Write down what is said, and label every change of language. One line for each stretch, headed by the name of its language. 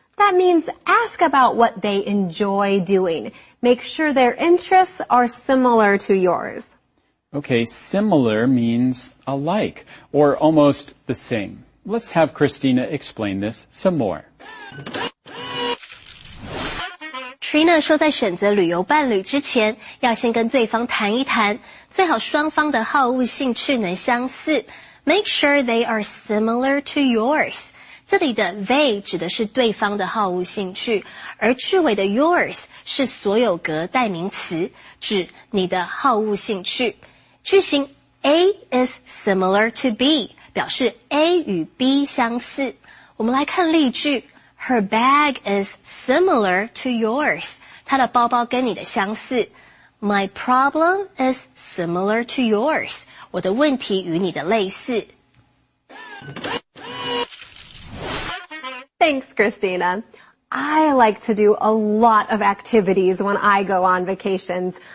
English: That means ask about what they enjoy doing. Make sure their interests are similar to yours. Okay, similar means alike or almost the same. Let's have Christina explain this some more.
Chinese: Trina 说在选择旅游伴侣之前要先跟对方谈一谈最好双方的好恶兴趣能相似
English: Make sure they are similar to yours
Chinese: 这里的 they 指的是对方的好恶兴趣而句尾的 yours 是所有格代名词指你的好恶兴趣句型
English: A is similar to B
Chinese: 表示 A 与 B 相似我们来看例句
English: Her bag is similar to yours.
Chinese: 她的包包跟你的相似。
English: My problem is similar to yours.
Chinese: 我的问题与你的类似。
English: Thanks, Christina. I like to do a lot of activities when I go on vacations.